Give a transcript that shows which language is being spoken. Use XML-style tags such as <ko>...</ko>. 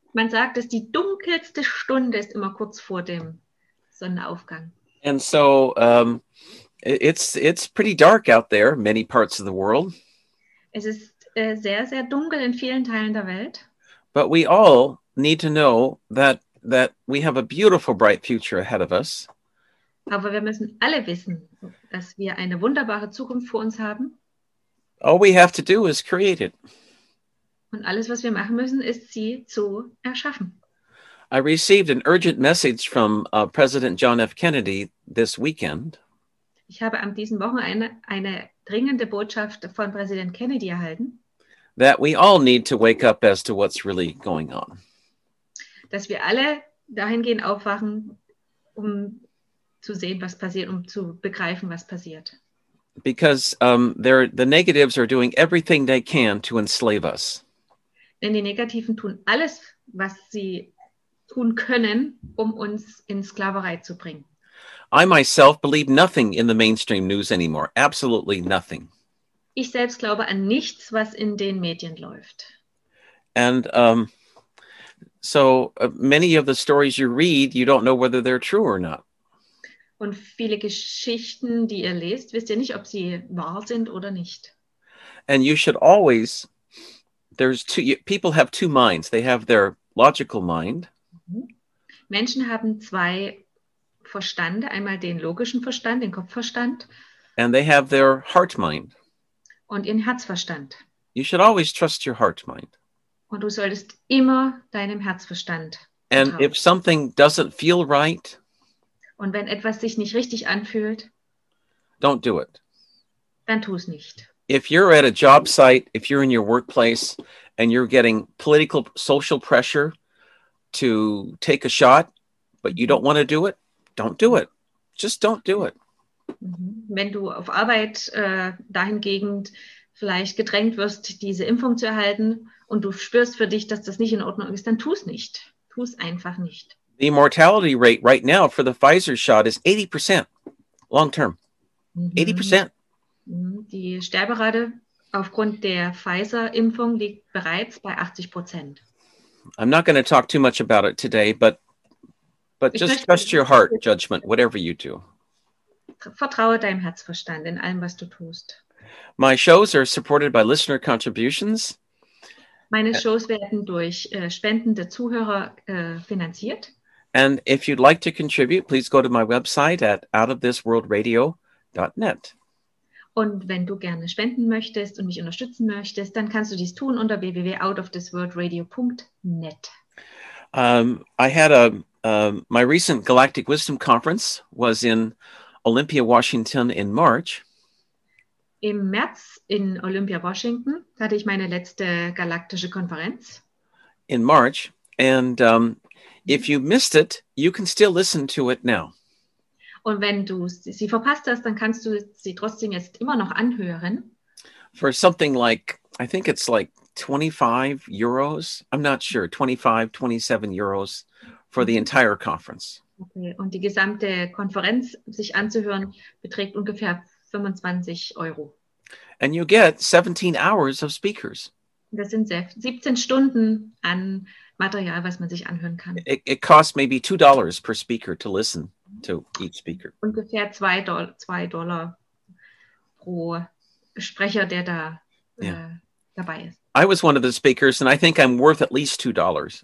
<de>Man sagt, dass die dunkelste Stunde ist immer kurz vor dem Sonnenaufgang.</de> <en>And so it's pretty dark out there, many parts of the world.</en> <de>Es ist sehr, sehr dunkel in vielen Teilen der Welt.</de> <en>But we all need to know that we have a beautiful, bright future ahead of us.</en> <de>Aber wir müssen alle wissen, dass wir eine wunderbare Zukunft vor uns haben.</de> <en>All we have to do is create it.</en> <de>Und alles, was wir machen müssen, ist sie zu erschaffen.</de> <en>I received an urgent message from President John F. Kennedy this weekend.</en> <de>Ich habe am diesen Wochen eine dringende Botschaft von Präsident Kennedy erhalten.</de> <en>That we all need to wake up as to what's really going on.</en> <de>Dass wir alle dahingehend aufwachen, um zu sehen, was passiert, um zu begreifen, was passiert.</de> <en>Because the negatives are doing everything they can to enslave us.</en> <de>Denn die Negativen tun alles, was sie tun können, um uns in Sklaverei zu bringen.</de> <en>I myself believe nothing in the mainstream news anymore. Absolutely nothing.</en> <de>Ich selbst glaube an nichts, was in den Medien läuft.</de> <en>And many of the stories you read, you don't know whether they're true or not.</en> <de>Und viele Geschichten, die ihr lest, wisst ihr nicht, ob sie wahr sind oder nicht.</de> <en>And you should always, people have two minds. They have their logical mind.</en> <de>Menschen haben zwei Verstände, einmal den logischen Verstand, den Kopfverstand.</de> <en>And they have their heart mind.</en> <de>Und ihren Herzverstand.</de> <en>You should always trust your heart mind.</en> <de>Und du solltest immer deinem Herzverstand vertrauen.</de> <en>And if something doesn't feel right,</en> <de>und wenn etwas sich nicht richtig anfühlt,</de> <en>don't do it.</en> <de>Dann tu es nicht.</de> <en>If you're at a job site, if you're in your workplace and you're getting political, social pressure to take a shot, but you don't want to do it, don't do it. Just don't do it.</en> <de>Wenn du auf Arbeit dahingehend vielleicht gedrängt wirst, diese Impfung zu erhalten und du spürst für dich, dass das nicht in Ordnung ist, dann tu es nicht. Tu es einfach nicht.</de> <en>The mortality rate right now for the Pfizer shot is 80% long term. 80%.</en> <de>Die Sterberate aufgrund der Pfizer-Impfung liegt bereits bei 80%.</de> <en>I'm not going to talk too much about it today, but just trust your heart judgment, whatever you do.</en> <de>Vertraue deinem Herzverstand in allem, was du tust.</de> <en>My shows are supported by listener contributions.</en> <de>Meine Shows werden durch Spenden der Zuhörer finanziert.</de> <en>And if you'd like to contribute, please go to my website at outofthisworldradio.net.</en> <de>Und wenn du gerne spenden möchtest und mich unterstützen möchtest, dann kannst du dies tun unter www.outofthisworldradio.net.</de> <en>I had my recent Galactic Wisdom Conference was in Olympia, Washington in March.</en> <de>Im März in Olympia, Washington hatte ich meine letzte galaktische Konferenz.</de> <en>In March. And if you missed it, you can still listen to it now.</en> <de>Und wenn du sie verpasst hast, dann kannst du sie trotzdem jetzt immer noch anhören.</de> <en>For something like, I think it's like 25 euros. I'm not sure, 25, 27 euros for the entire conference. Okay.</en> <de>Und die gesamte Konferenz sich anzuhören beträgt ungefähr 25 Euro.</de> <en>And you get 17 hours of speakers.</en> <de>Das sind 17 Stunden an Material, was man sich anhören kann.</de> <en>It costs maybe $2 per speaker to listen to each speaker.</en> <de>Ungefähr $2 pro Sprecher, der da dabei ist.</de> <en>I was one of the speakers and I think I'm worth at least $2.</en>